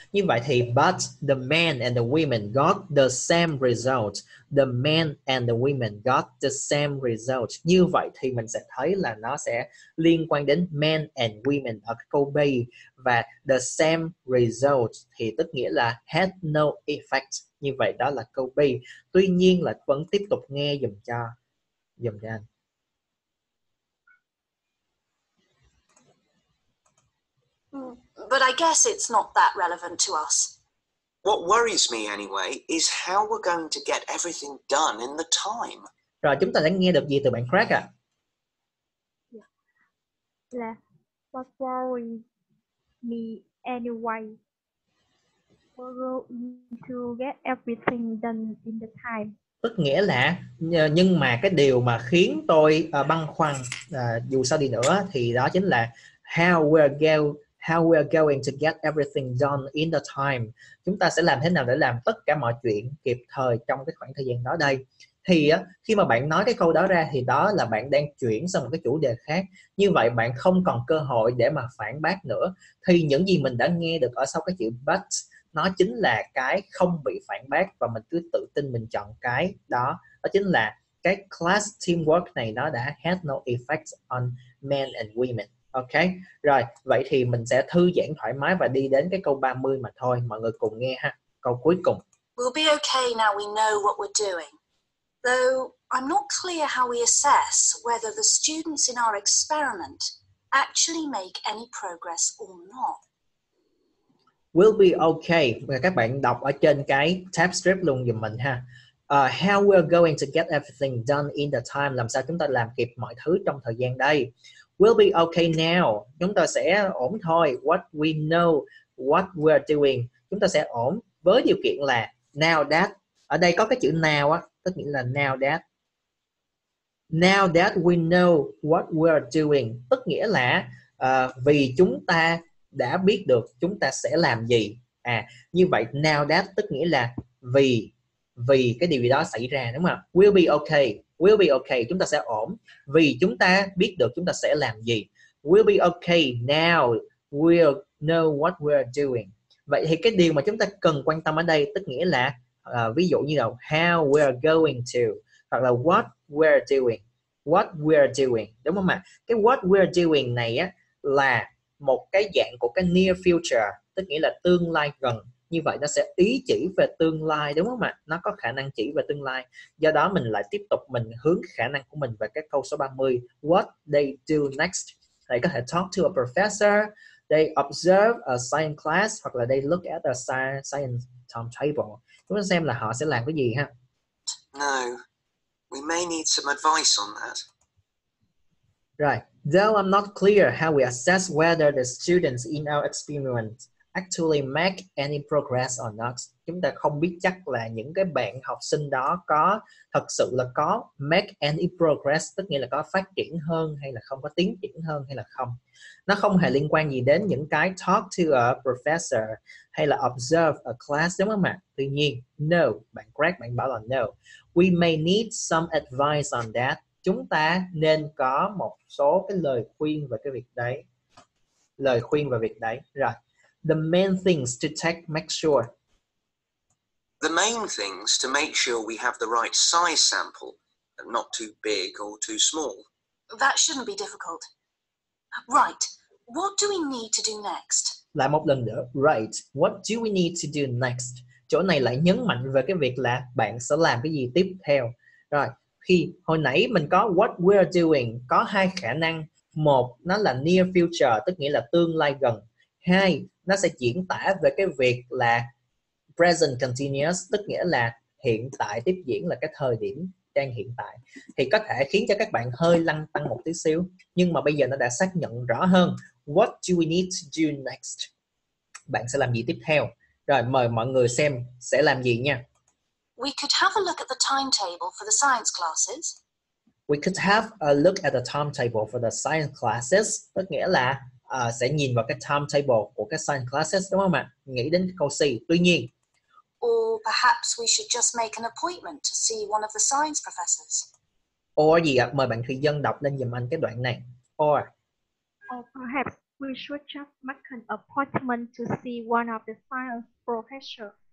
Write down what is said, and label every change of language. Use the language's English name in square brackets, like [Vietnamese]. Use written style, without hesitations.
[Vietnamese] Như vậy thì [English] but the men and the women got the same result. The men and the women got the same result. [Vietnamese] Như vậy thì mình sẽ thấy là nó sẽ liên quan đến [English] men and women [Vietnamese] ở câu B. [English] Và the same result [Vietnamese] thì tức nghĩa là [English] had no effect. [Vietnamese] Như vậy đó là câu B. Tuy nhiên là vẫn tiếp tục nghe dùm cho anh. [English] But I guess it's not that relevant to us. What worries me anyway is how we're going to get everything done in the time. [Vietnamese] Rồi, chúng ta đã nghe được gì từ bạn Craig ạ? [English] Là what worries me anyway? We're going to get everything done in the time. [Vietnamese] Tức nghĩa là, nhưng mà cái điều mà khiến tôi băn khoăn dù sao đi nữa thì đó chính là [English] how we're going to get everything done in the time. [Vietnamese] Chúng ta sẽ làm thế nào để làm tất cả mọi chuyện kịp thời trong cái khoảng thời gian đó đây. Thì khi mà bạn nói cái câu đó ra thì đó là bạn đang chuyển sang một cái chủ đề khác. Như vậy bạn không còn cơ hội để mà phản bác nữa. Thì những gì mình đã nghe được ở sau cái chữ but, nó chính là cái không bị phản bác. Và mình cứ tự tin mình chọn cái đó. Đó chính là cái class teamwork này nó đã [English] had no effect on men and women. [Vietnamese] Ok, rồi, vậy thì mình sẽ thư giãn thoải mái và đi đến cái câu 30 mà thôi. Mọi người cùng nghe ha, câu cuối cùng. [English] We'll be okay now we know what we're doing. Though I'm not clear how we assess whether the students in our experiment actually make any progress or not. We'll be okay, [Vietnamese] các bạn đọc ở trên cái tab strip luôn giùm mình ha. [English] How we're going to get everything done in the time. [Vietnamese] Làm sao chúng ta làm kịp mọi thứ trong thời gian đây. [English] We'll be okay now. [Vietnamese] Chúng ta sẽ ổn thôi. [English] What we know, what we're doing. [Vietnamese] Chúng ta sẽ ổn với điều kiện là now that. Ở đây có cái chữ now á, tức nghĩa là now that. [English] Now that we know what we are doing, [Vietnamese] tức nghĩa là vì chúng ta đã biết được chúng ta sẽ làm gì. À, như vậy now that tức nghĩa là vì cái điều gì đó xảy ra, đúng không? [English] We'll be okay. We'll be okay, [Vietnamese] chúng ta sẽ ổn vì chúng ta biết được chúng ta sẽ làm gì. [English] We'll be okay now we'll know what we're doing. [Vietnamese] Vậy thì cái điều mà chúng ta cần quan tâm ở đây tức nghĩa là ví dụ như là [English] how we're going to [Vietnamese] hoặc là [English] what we're doing. What we're doing, [Vietnamese] đúng không ạ? Cái what we're doing này á là một cái dạng của cái near future, tức nghĩa là tương lai gần. Như vậy nó sẽ ý chỉ về tương lai, đúng không ạ? Nó có khả năng chỉ về tương lai. Do đó mình lại tiếp tục mình hướng khả năng của mình về cái câu số 30. [English] What they do next? They [Vietnamese] có thể [English] talk to a professor, they observe a science class, [Vietnamese] hoặc là [English] they look at a science timetable. [Vietnamese] Chúng ta xem là họ sẽ làm cái gì ha? [English] No, we may need some advice on that. Right. Though I'm not clear how we assess whether the students in our experiment actually make any progress or not. [Vietnamese] Chúng ta không biết chắc là những cái bạn học sinh đó có thật sự là có [English] make any progress, [Vietnamese] tức nghĩa là có phát triển hơn hay là không, có tiến triển hơn hay là không. Nó không hề liên quan gì đến những cái [English] talk to a professor [Vietnamese] hay là [English] observe a class, [Vietnamese] đúng không ạ? Tuy nhiên, [English] no, bạn Greg, [Vietnamese] bạn bảo là [English] no. We may need some advice on that. [Vietnamese] Chúng ta nên có một số cái lời khuyên về cái việc đấy. Lời khuyên về việc đấy, rồi. [English] The main things to take, make sure. The main things to make sure we have the right size sample, not too big or too small. That shouldn't be difficult. Right, what do we need to do next? [Vietnamese] Lại một lần nữa, [English] right, what do we need to do next? [Vietnamese] Chỗ này lại nhấn mạnh về cái việc là bạn sẽ làm cái gì tiếp theo. Rồi, khi hồi nãy mình có [English] what we're doing, [Vietnamese] có hai khả năng. Một, nó là near future, tức nghĩa là tương lai gần. Hai, nó sẽ diễn tả về cái việc là present continuous, tức nghĩa là hiện tại tiếp diễn, là cái thời điểm đang hiện tại. Thì có thể khiến cho các bạn hơi lăn tăn một tí xíu, nhưng mà bây giờ nó đã xác nhận rõ hơn. [English] What do we need to do next? [Vietnamese] Bạn sẽ làm gì tiếp theo? Rồi mời mọi người xem sẽ làm gì nha. [English] We could have a look at the timetable for the science classes. We could have a look at the timetable for the science classes, [Vietnamese] tức nghĩa là sẽ nhìn vào cái timetable của cái science classes, đúng không ạ? Nghĩ đến câu C. Tuy nhiên, [English] or perhaps we should just make an appointment to see one of the science professors. [Vietnamese] Or gì ạ? Mời bạn Thùy Dân đọc lên giùm anh cái đoạn này. [English] Or. Or perhaps we should just make an appointment to see one of the science professors.